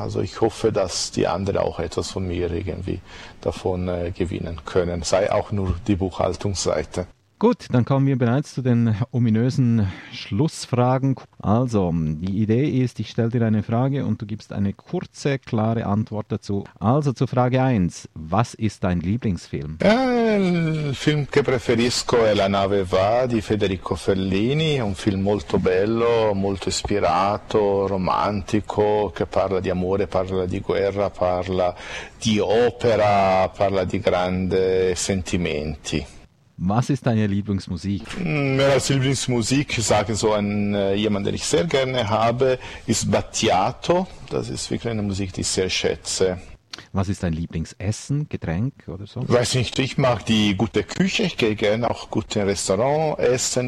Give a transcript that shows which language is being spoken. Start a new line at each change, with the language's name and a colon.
German: Also ich hoffe, dass die anderen auch etwas von mir irgendwie davon gewinnen können. Sei auch nur die Buchhaltungsseite. Gut, dann kommen wir bereits zu den ominösen Schlussfragen. Also, die Idee ist, ich stelle dir eine Frage und du gibst eine kurze, klare Antwort dazu. Also, zu Frage 1. Was ist dein Lieblingsfilm?
Italian: Il film che preferisco è La nave va di Federico Fellini, un film molto bello, molto ispirato, romantico, che parla di amore, parla di guerra, parla di opera, parla di grandi sentimenti.
German: Was ist deine Lieblingsmusik? Mehr als Lieblingsmusik, ich sage so an jemanden, den ich sehr gerne habe, ist Battiato. Das ist wirklich eine Musik, die ich sehr schätze. Was ist dein Lieblingsessen, Getränk oder so? Weiß nicht, ich mag die gute Küche, ich gehe gerne auch gut in Restaurant essen.